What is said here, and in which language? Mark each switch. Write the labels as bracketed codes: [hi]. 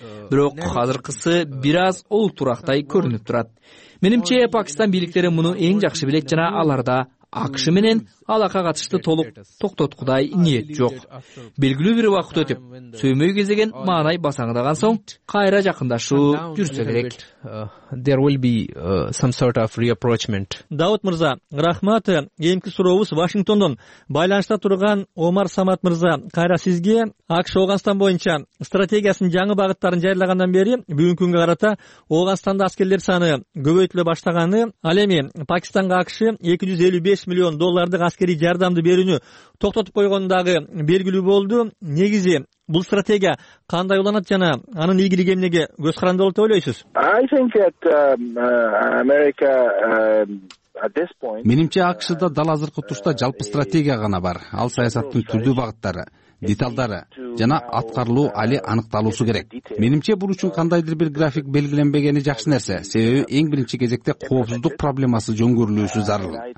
[ky] Бирок азыркысы бир аз олтурактай көрүнүп турат. Менимче Пакистан бийликтери муну эң жакшы билет жана аларда АКШ менен алака катышты толук токтоткудай ниет жок. Белгилүү бир убакыт өтүп, сөймөй кезеген маанай басаңдаган соң кайра жакындашуу жүрсө керек. [en] There will be some sort of reapproachment. [ky] Дауыт мырза, рахмат. Кийинки сурообуз Вашингтондон байланышта турган Омар Самат мырза, кайра сизге. АКШ Ооганстан боюнча стратегиясынын жаңы багыттарын жарыялагандан бери бүгүнкү күнгө карата Ооганстанда аскерлер саны көбөйтүлө баштаганы, ал эми Пакистанга АКШ 255 миллион доллардык аскерий жардамды берүүнү токтотуп койгону дагы белгилүү болду. Негизи бул стратегия кандай уланат жана анын ийгилиги эмнеге көз каранды болот деп ойлойсуз? [en] I think that America at this point. [ky] Менимче АКШда дал азыркы турушта жалпы стратегия гана бар. Ал саясаттын түрдүү багыттары, деталдары жана аткарылуу али аныкталуусу керек. Менимче бул үчүн кандайдыр бир график белгиленбегени жакшы нерсе. Себеби эң биринчи кезекте коопсуздук проблемасы жөнгөрүлүүсү зарыл.